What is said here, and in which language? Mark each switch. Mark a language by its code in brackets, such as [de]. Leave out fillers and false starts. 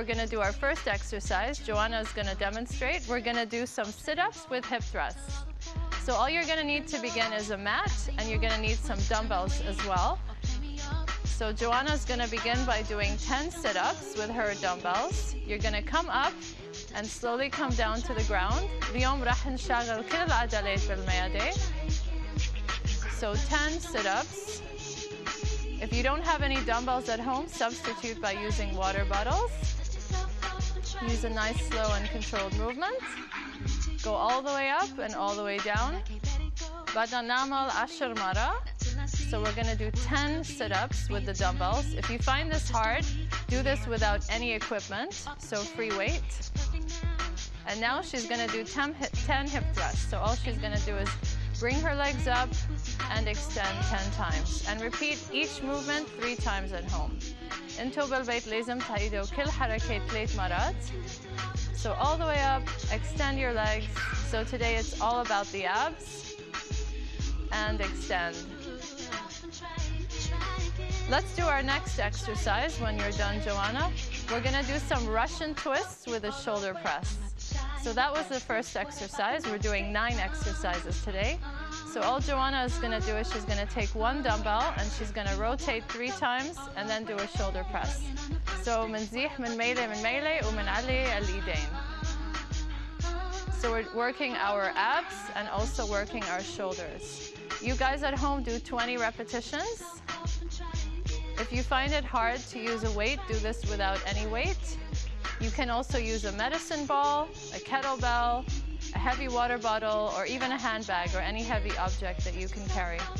[en] We're going to do our first exercise. Joanna is going to demonstrate. We're going to do some sit-ups with hip thrusts. So all you're going to need to begin is a mat, and you're going to need some dumbbells as well. So Joanna's going to begin by doing 10 sit-ups with her dumbbells. You're going to come up and slowly come down to the ground. [ar] اليوم راح نشغل كل العضلات بالمعدة. [en] So 10 sit-ups. If you don't have any dumbbells at home, substitute by using water bottles. Use a nice, slow, and controlled movement. Go all the way up and all the way down. [ar] بدنا نعمل 10 مرة. [en] So we're going to do 10 sit-ups with the dumbbells. If you find this hard, do this without any equipment, so free weight. And now she's going to do 10 hip thrusts. So all she's going to do is bring her legs up and extend 10 times. And repeat each movement 3 times at home. [ar] Into بالبيت لازم تعيدوا كل حركة 3 مرات. [en] So all the way up, extend your legs. So today it's all about the abs. And extend. Let's do our next exercise when you're done, Joanna. We're gonna do some Russian twists with a shoulder press. So that was the first exercise. We're doing 9 exercises today. So all Joanna is gonna do is she's gonna take one dumbbell and she's gonna rotate 3 times and then do a shoulder press. [ar] So منزيح من ميلي ومنعلي اليدين. [en] So we're working our abs and also working our shoulders. You guys at home do 20 repetitions. If you find it hard to use a weight, do this without any weight. You can also use a medicine ball, a kettlebell, a heavy water bottle, or even a handbag or any heavy object that you can carry.